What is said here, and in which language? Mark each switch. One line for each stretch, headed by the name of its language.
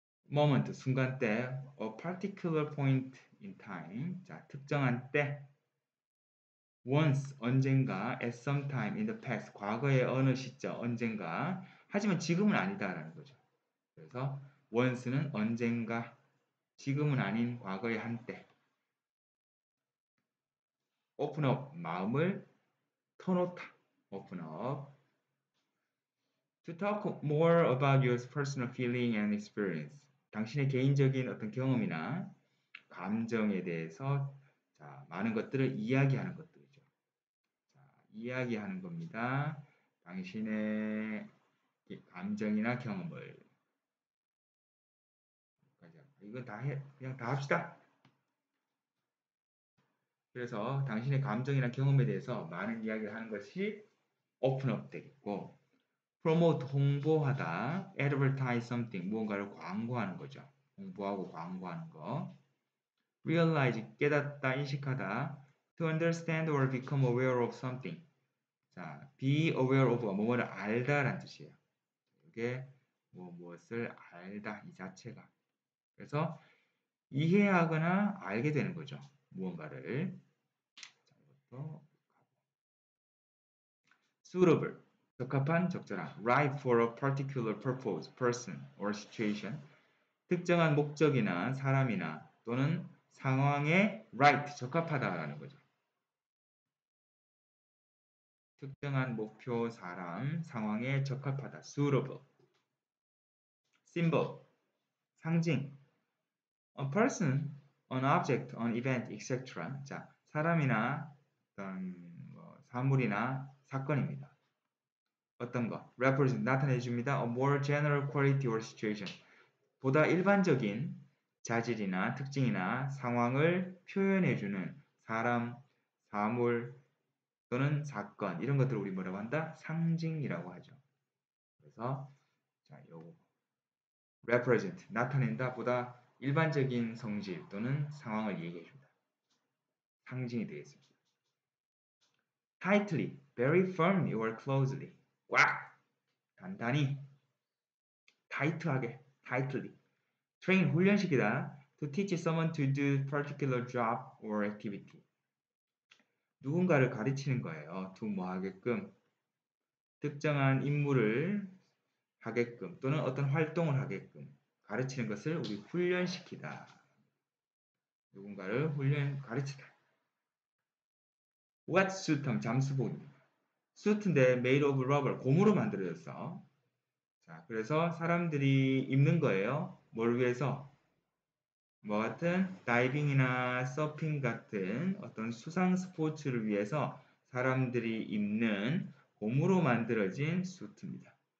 Korean: moment, 순간 때,
English: a particular point in time,
Korean: 자, 특정한 때, once, 언젠가,
English: at some time in the past,
Korean: 과거의 어느 시점, 언젠가, 하지만 지금은 아니다라는 거죠. 그래서 once는 언젠가, 지금은 아닌 과거의 한때. open up, 마음을 터놓다.
English: open up. to talk more about your personal feeling and experience.
Korean: 당신의 개인적인 어떤 경험이나 감정에 대해서 자, 많은 것들을 이야기하는 것들이죠. 자, 이야기하는 겁니다. 당신의 감정이나 경험을. 이거 다 해, 그냥 다 합시다. 그래서 당신의 감정이나 경험에 대해서 많은 이야기를 하는 것이 오픈업 되겠고, promote, 홍보하다,
English: advertise something,
Korean: 무언가를 광고하는 거죠. 홍보하고 광고하는 거.
English: realize,
Korean: 깨닫다, 인식하다,
English: to understand or become aware of something.
Korean: 자,
English: be aware of,
Korean: 뭐뭐를 알다 라는 뜻이에요. 이게 뭐 무엇을 알다, 이 자체가. 그래서 이해하거나 알게 되는 거죠. 무언가를. 자, 이것도 suitable. 적합한, 적절한,
English: right for a particular purpose, person, or situation.
Korean: 특정한 목적이나 사람이나 또는 상황에 right, 적합하다라는 거죠. 특정한 목표, 사람, 상황에 적합하다, suitable. symbol, 상징.
English: a person, an object, an event, etc.
Korean: 자, 사람이나 어떤 뭐 사물이나 사건입니다. 어떤 거? represent, 나타내줍니다.
English: a more general quality or situation.
Korean: 보다 일반적인 자질이나 특징이나 상황을 표현해주는 사람, 사물 또는 사건. 이런 것들을 우리 뭐라고 한다? 상징이라고 하죠. 그래서, 자, 요거. represent, 나타낸다. 보다 일반적인 성질 또는 상황을 얘기해줍니다. 상징이 되겠습니다.
English: tightly, very firmly or closely.
Korean: 꽉! 단단히! 타이트하게! tightly! train, 훈련시키다!
English: to teach someone to do particular job or activity.
Korean: 누군가를 가르치는 거예요. to 뭐 하게끔 특정한 임무를 하게끔 또는 어떤 활동을 하게끔 가르치는 것을 우리 훈련시키다. 누군가를 훈련, 가르치다. wet suit, 잠수복입니다. 수트인데
English: made of rubber,
Korean: 고무로 만들어졌어. 자, 그래서 사람들이 입는 거예요. 뭘 위해서? 뭐 같은 다이빙이나 서핑 같은 어떤 수상 스포츠를 위해서 사람들이 입는 고무로 만들어진 수트입니다.